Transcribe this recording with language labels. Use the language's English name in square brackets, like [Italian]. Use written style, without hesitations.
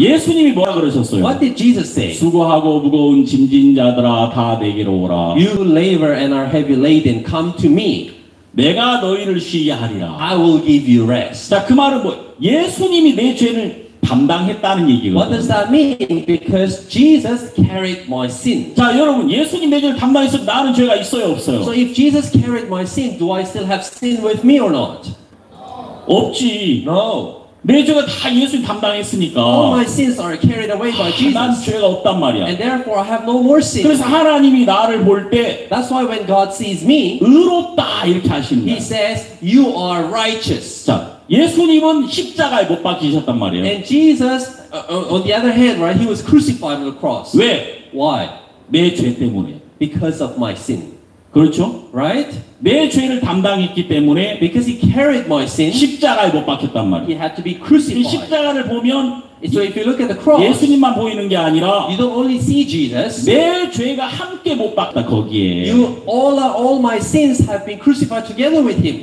[Korean] 예수님이 뭐라 그러셨어요? [English] What did Jesus say? [Korean] 수고하고 무거운 짐진 자들아, 다 내게로 오라. [English] You labor and are heavy laden, come to me. [Korean] 내가 너희를 쉬게 하리라. [English] I will give you rest. [Korean] 자, 그 말은 뭐 예수님이 내 죄를 담당했다는 얘기거든요. [English] What does that mean? Because Jesus carried my sin. [Korean] 자, 여러분, 예수님 내 죄를 담당해서 나는 죄가 있어요, 없어요? [English] So if Jesus carried my sin, do I still have sin with me or not? [Korean] 없지. [English] No. [Korean] 내 죄가 다 예수님 담당했으니까. [English] All my sins are carried away by Jesus. [Korean] 난 죄가 없단 말이야. [English] And therefore I have no more sin. [Korean] 그래서 하나님이 나를 볼 때 [English] That's why when God sees me, [Korean] 의롭다 이렇게 하십니다. [English] He says, you are righteous. [Korean] 자, 예수님은 십자가에 못 박히셨단 말이에요. [English] And Jesus, on the other hand, right, he was crucified on the cross. [Korean] 왜? [English] Why? [Korean] 내 죄 때문에. [English] Because of my sin. [Korean] 그렇죠? [English] Right? [Korean] 내 죄를 담당했기 때문에 [English] Because he carried my sin [Korean] 십자가에 못 박혔단 말이야. [English] He had to be crucified. [Korean] 이 십자가를 보면 [English] So if you look at the cross [Korean] 예수님만 보이는 게 아니라 [English] You don't only see Jesus [Korean] 내 죄가 함께 못 박다 거기에 [English] You all my sins have been crucified together with him.